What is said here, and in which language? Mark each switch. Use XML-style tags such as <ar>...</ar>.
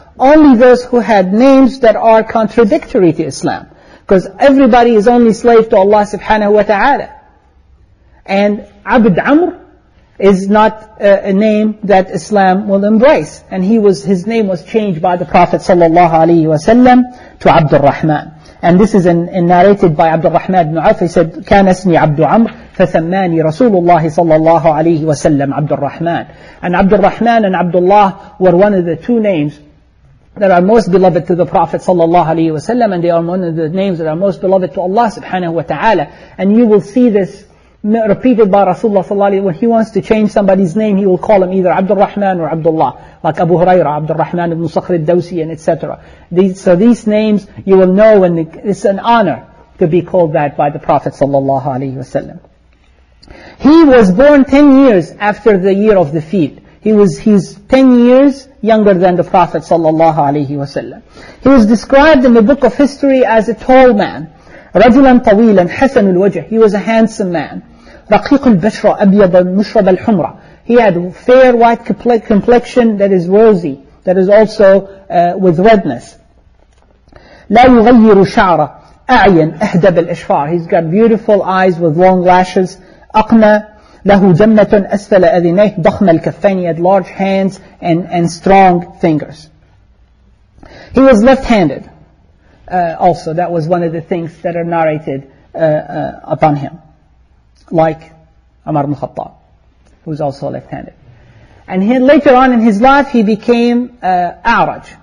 <en>Only those who had names that are contradictory to Islam. Because everybody is only slave to Allah subhanahu wa ta'ala. And Abd Amr is not a name that Islam will embrace. And his name was changed by the Prophet sallallahu alayhi wa sallam to Abdul Rahman. And this is in narrated by Abdul Rahman ibn Auf. He said,</en> <ar>كان اسمي عبد عمر فسماني رسول الله صلى الله عليه وسلم عبد الرحمن.</ar> <en>And عبد الرحمن and Abdullah were one of the two names that are most beloved to the Prophet صلى الله عليه وسلم, and they are one of the names that are most beloved to Allah subhanahu wa ta'ala. And you will see this repeated by Rasulullah صلى الله عليه وسلم. When he wants to change somebody's name, he will call him either عبد الرحمن or Abdullah, like Abu Huraira, عبد الرحمن ibn Sakhr al-Dawsi, and etc. So these names you will know, and it's an honor to be called that by the Prophet صلى الله عليه وسلم. He was born 10 years after the year of the feet. He's 10 years younger than the Prophet sallallahu alayhi wa sallam. He was described in the book of history as a tall man.</en> <ar>رَجُلًا طَوِيلًا حَسَنُ الْوَجْهِ.</ar> <en>He was a handsome man.</en> <ar>رَقِيقُ الْبَشْرَ أَبْيَضًا مُشْرَبَ الْحُمْرَ.</ar> <en>He had fair white complexion that is rosy, that is also with redness.</en> <ar>لَا يُغَيِّرُ شَعْرَ أَعْيًا أَهْدَبَ الْإِشْفَارِ.</ar> <en>He's got beautiful eyes with long lashes.</en> <ar>أقنى له جمة أسفل أذنيه ضخم الكفين.</ar> <en>He had large hands and strong fingers. He was left-handed. Also, that was one of the things that are narrated upon him, like Umar ibn Khattab, who was also left-handed. And he, later on in his life, he became a'raj.</en>